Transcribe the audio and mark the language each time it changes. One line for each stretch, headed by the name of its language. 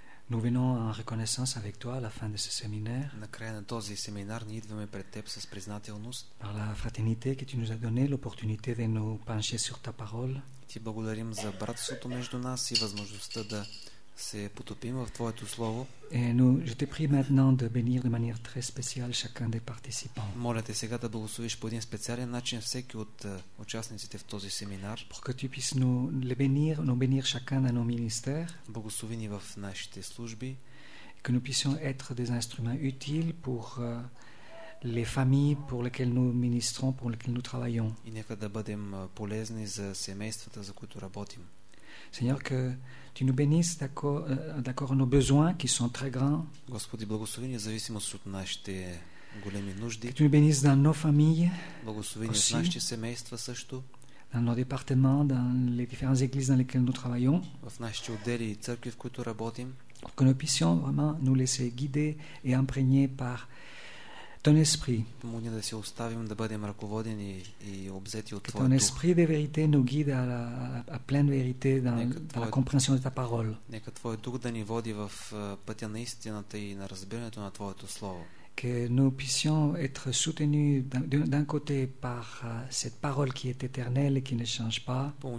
French: nous venons en reconnaissance avec toi à la fin de ce séminaire.
Bulgarian: На края на този семинар ние идваме пред теб с признателност.
French: Par la fraternité que tu nous as donné l'opportunité de nous pencher sur ta parole.
Bulgarian: Ти благодарим за братството между нас и възможността да се потопим в твоето слово.
French: Et nous, je te prie maintenant de bénir de manière très spéciale chacun des participants.
Bulgarian: Моля те сега да благословиш по един специален начин всеки от участниците в този семинар.
French: Pour que tu puisses nous bénir chacun dans nos ministères.
Bulgarian: Благослови ни в нашите служби.
French: Que nous puissions être des instruments utiles pour les familles pour lesquelles nous ministrons, pour lesquelles nous travaillons.
Bulgarian: И нека да бъдем полезни за семействата, за които работим.
French: Seigneur, que tu nous bénisses d'accord nos besoins qui sont très grands.
Bulgarian: Господи, благослови ни в зависимост от нашите големи нужди.
French: Que tu nous bénisses dans nos familles.
Bulgarian: Благослови ни в нашите семейства също.
French: dans nos départements, dans les différentes églises dans lesquelles nous travaillons, pour que nous puissions vraiment nous laisser guider et imprégner par ton esprit. Que ton esprit de vérité nous guide à pleine vérité dans la compréhension de ta parole.
Bulgarian: Нека твой дух да ни води в пътя на истината и на разбирането на твоето слово.
French: Que nous puissions être soutenus d'un côté par cette parole qui est éternelle et qui ne change pas.